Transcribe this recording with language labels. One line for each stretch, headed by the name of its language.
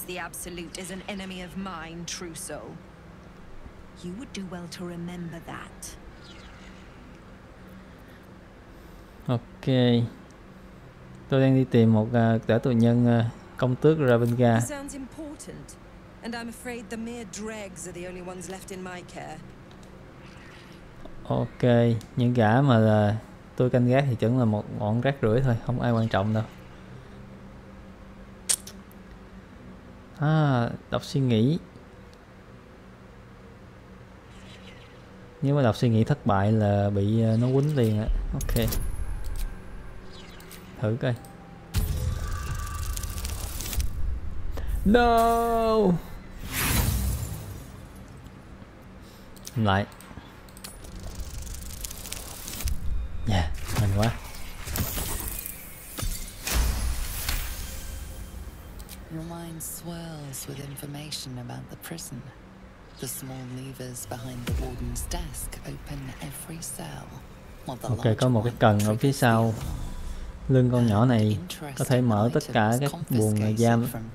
English: The absolute is an enemy of mine, Truso. You would do well to remember that.
Vietnamese: Ok. Tôi đang đi tìm một gã tù nhân công tước Ravenga.
English: Sounds important, and I'm afraid the mere dregs are the only ones left in my care.
Vietnamese: Ok, những gã mà là tôi canh gác thì chẳng là một bọn rác rưởi thôi, không ai quan trọng đâu. À, đọc suy nghĩ. Nếu mà đọc suy nghĩ thất bại là bị nó quýnh liền á. Ok. Thử coi.
English: No!
Vietnamese: Lại. Yeah, mạnh quá.
English: Your mind swirls with information about the prison. The small levers behind the warden's desk open every cell.
Vietnamese: Ok, có một cái cần ở phía sau lưng con nhỏ này có thể mở tất cả các buồng giam.